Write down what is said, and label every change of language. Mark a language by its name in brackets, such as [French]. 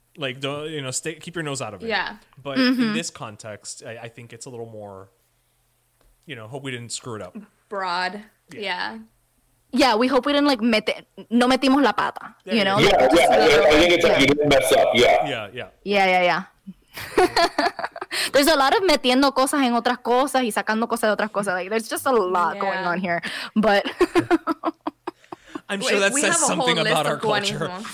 [English] Like, don't, you know, stay, keep your nose out of it. Yeah. But mm-hmm. in this context, I think it's a little more, you know, hope we didn't screw it up. Broad. Yeah. Yeah, we hope we didn't, like, [Spanish] no metimos la pata. [English] You know? Yeah, like, yeah. I think it's like you didn't mess up. Yeah. There's a lot of [Spanish] metiendo cosas en otras cosas y sacando cosas de otras cosas. [English] Like, there's just a lot yeah. going on here. But I'm sure that says something about our culture.